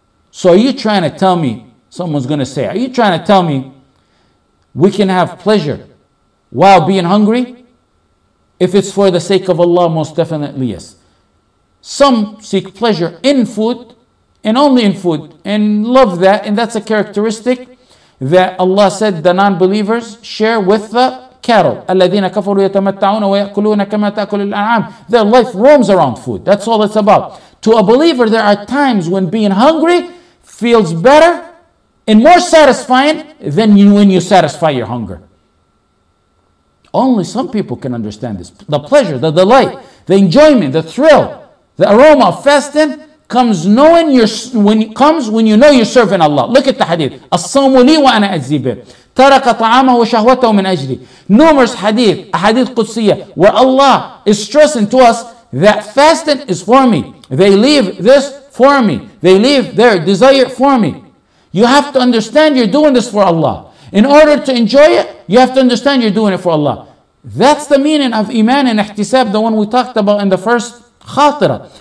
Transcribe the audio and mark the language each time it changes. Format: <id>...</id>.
<en>So are you trying to tell me, someone's going to say, are you trying to tell me we can have pleasure while being hungry? If it's for the sake of Allah, most definitely yes. Some seek pleasure in food and only in food and love that. And that's a characteristic that Allah said the non-believers share with the cattle.</en> <ar>الَّذِينَ كَفَرُوا يَتَمَتَّعُونَ وَيَأْكُلُونَ كَمَا تَأْكُلُ الْأَنْعَامِ</ar> <en>Their life roams around food. That's all it's about. To a believer, there are times when being hungry feels better and more satisfying than when you satisfy your hunger. Only some people can understand this. The pleasure, the delight, the enjoyment, the thrill, the aroma of fasting comes when you know you're serving Allah. Look at the hadith.</en> <ar>الصوم لي وأنا أجزي به. ترك طعامه وشهوته من أجلي.</ar> <en>Numerous hadith, a hadith Qudsiyah, where Allah is stressing to us that fasting is for me. They leave this for me. They leave their desire for me. You have to understand you're doing this for Allah. In order to enjoy it, you have to understand you're doing it for Allah. That's the meaning of iman and ihtisab, the one we talked about in the first khatira.</en>